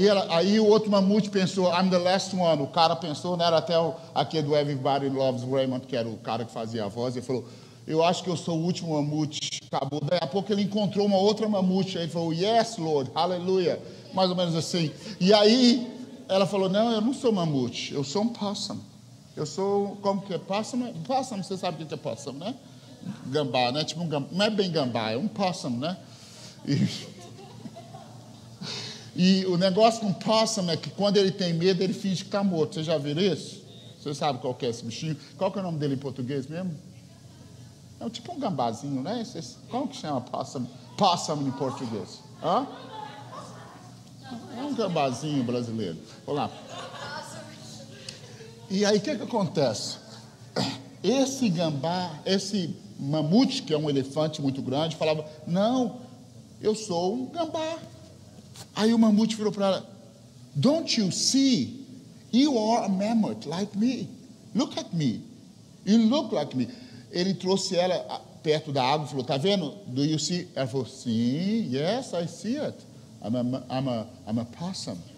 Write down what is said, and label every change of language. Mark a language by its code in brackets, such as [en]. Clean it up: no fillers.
[pt] Aí o outro mamute pensou, [en] I'm the last one. [pt] O cara pensou, não era até aquele do Everybody Loves Raymond, que era o cara que fazia a voz. Ele falou, eu acho que eu sou o último mamute. Acabou. Daí a pouco ele encontrou uma outra mamute. Aí ele falou, [en] yes, Lord, hallelujah. [pt] Mais ou menos assim. E aí ela falou, não, eu não sou mamute, eu sou um possum. Eu sou, como que é? Possum? Possum, você sabe o que é possum, né? Gambá, né? Tipo um gambá. Não é bem gambá, é um possum, né? E o negócio com possum é que quando ele tem medo, ele finge que está morto. Vocês já viram isso? Você sabe qual que é esse bichinho? Qual que é o nome dele em português mesmo? É tipo um gambazinho, né? Como que chama possum? Possum em português. Hã? É um gambazinho brasileiro. Vamos lá. E aí, o que que acontece? Esse gambá, esse mamute, que é um elefante muito grande, falava, não, eu sou um gambá. Aí o mamute virou para ela, [en] don't you see, you are a mammoth like me, look at me, you look like me. [pt] Ele trouxe ela perto da água e falou, tá vendo, [en] do you see? [pt] Ela falou, sim, [en] yes, I see it, I'm a possum.